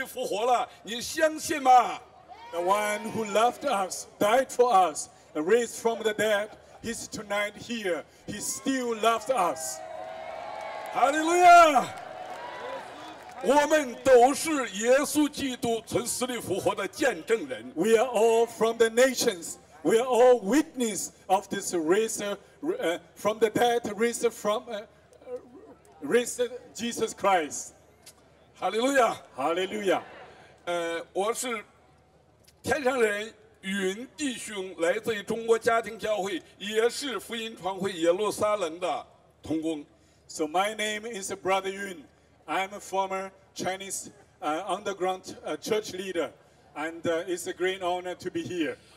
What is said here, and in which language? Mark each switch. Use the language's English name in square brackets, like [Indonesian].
[Chinese] 我们中间你真的相信耶稣不但是爱你他为你的罪被钉在十字架上死了而且他从死里复活了你相信吗 [English] The one who loved us, died for us, and raised from the dead, he's tonight here. He still loves us. Hallelujah! [Chinese] 我们都是耶稣基督从死里复活的见证人 [English] We are all from the nations. We are all witness of this raised from the dead, raised from raised Jesus Christ. Hallelujah! Hallelujah! [Chinese] 我是天上人云弟兄，来自于中国家庭教会，也是福音传会耶路撒冷的同工。 [English] So my name is Brother Yun. I'm a former Chinese underground church leader, and it's a great honor to be here.